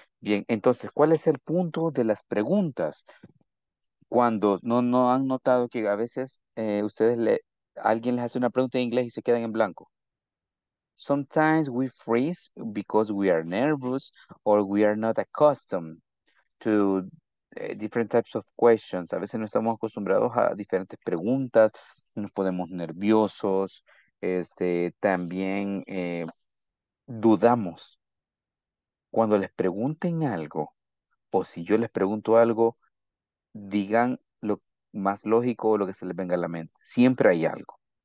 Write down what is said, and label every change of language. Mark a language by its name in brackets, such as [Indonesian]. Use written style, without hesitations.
[Spanish] Bien, entonces, ¿cuál es el punto de las preguntas? Cuando no han notado que a veces alguien les hace una pregunta en inglés y se quedan en blanco. [English] Sometimes we freeze because we are nervous or we are not accustomed to different types of questions. [Spanish] A veces no estamos acostumbrados a diferentes preguntas, nos ponemos nerviosos, también dudamos. Cuando les pregunten algo, o si yo les pregunto algo, digan lo más lógico o lo que se les venga a la mente. Siempre hay algo.